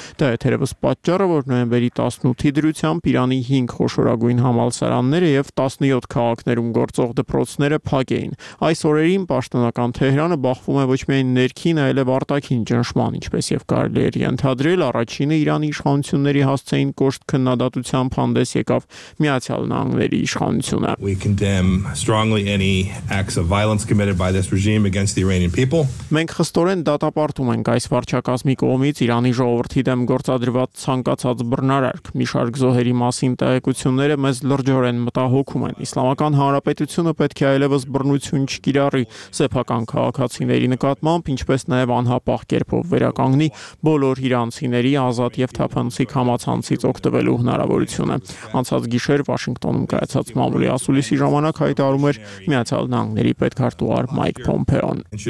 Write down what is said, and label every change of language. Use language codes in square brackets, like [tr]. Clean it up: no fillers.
[hy] Դա եթերևս պատճառը, որ նոյեմբերի 18-ի դրությամբ Իրանի 5 խոշորագույն համալսարանները եւ 17 քաղաքներում գործող դպրոցները փակ էին։ Այս օրերին պաշտոնական Թեհրանը բախվում է ոչ միայն ներքին, այլև արտաքին ճնշման, ինչպես եւ կարելի էր ենթադրել, առաջինը Իրանի իշխանությունների հասցեին կոշտ քննադատության հանդես եկավ Միացյալ Նահանգների իշխանությունը։ [en] We condemn strongly any acts of violence committed by this regime against the Iranian people. [hy] Մենք խստորեն դատապարտում ենք այս վարչակազմի կողմից Իրանի ժողովրդի դեմ գործադրված ցանկացած բռնարարք։ Մի շարք զոհերի մասին տեղեկությունները մեզ լրջորեն մտահոգում են։ Իսլամական հանրապետությունը պետք է այլևս բռնություն չկիրառի սեփական քաղաքացիների նկատմամբ, ինչպես նաև անհապաղ կերպով վերականգնի բոլոր իրանցիների ազատ և թափանցիկ համացանցից օգտվելու հնարավորությունը։ Անցած գիշեր Վաշինգտոնում կայացած մամուլի ասուլիսի ժամանակ հայտարարում էր Միացյալ Նահանգների պետքարտուղար Մայք Փոմպեոն։